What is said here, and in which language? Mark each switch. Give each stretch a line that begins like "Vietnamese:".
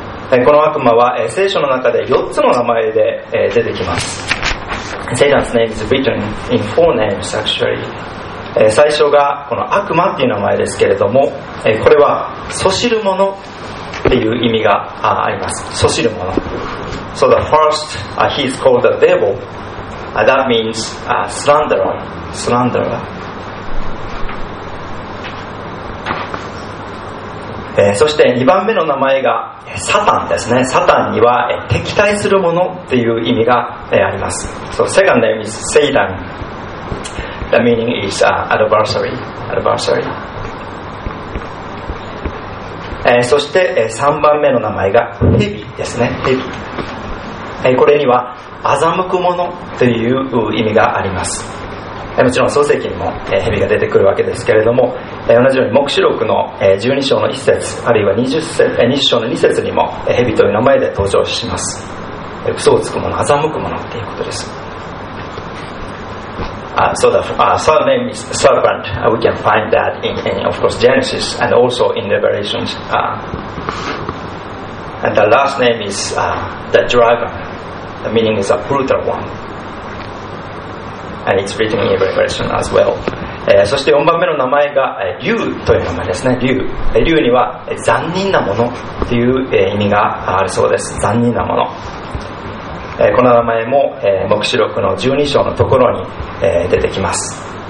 Japanese: この悪魔は聖書の中で4つの名前で出てきます。
English: Satan's name is written in four names actually.
Japanese: 最初がこの悪魔っていう名前ですけれども、これはそしるものっていう意味があります。そしるもの。
English: So the first, he is called the devil. That means slanderer. Slanderer.
Japanese: そして2番目の名前がサタンですね。サタンには敵対するものっていう意味があります。
English: So second name is Satan. The meaning is adversary. Adversary.
Japanese: そして3番目の名前がヘビですね。ヘビ。これには欺くものという意味があります。もちろん創世記にも蛇が出てくるわけですけれども、同じように黙示録の12章の1節あるいは20章の2節にも蛇という名前で登場します。嘘をつく者、欺く者ということです。
English: So the third name is serpent. We can find that in of course Genesis and also in Revelation. And the last name is the dragon. The meaning is a brutal oneAnd it's written in every version as well.
Japanese: そして4番目の名前が竜という名前ですね。竜。竜には残忍なものという意味があるそうです。残忍なもの。この名前も黙示録の12章のところに出てきます。